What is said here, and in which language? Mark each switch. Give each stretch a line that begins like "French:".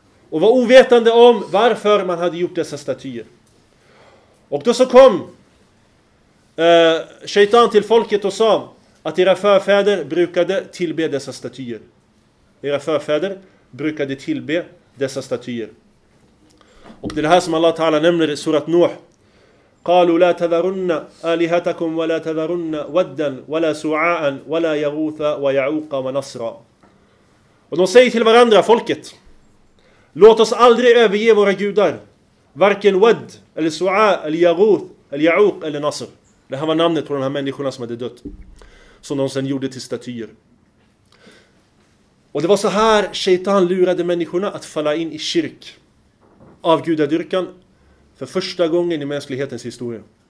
Swedish: Och var ovetande om varför man hade gjort dessa statyer. Och då så kom shaitan till folket och sa att era förfäder brukade tillbe dessa statyer. Era förfäder brukade tillbe dessa statyer. Och det är det här som Allah Ta'ala nämner i surat Nuh.
Arabic: قالوا لا تذرن آلهتكم ولا تذرن ودا ولا سعاء ولا يغوث ويعوق ونصر.
Swedish: Och de säger till varandra, folket, låt oss aldrig överge våra gudar, varken Wad eller Su'a eller Yaguth eller Ya'uq eller Nasr. Det här var namnet på de här människorna som hade dött, som de sen gjorde till statyer. Och det var så här shaitan lurade människorna att falla in i kyrk, avgudadyrkan, för första gången i mänsklighetens historia.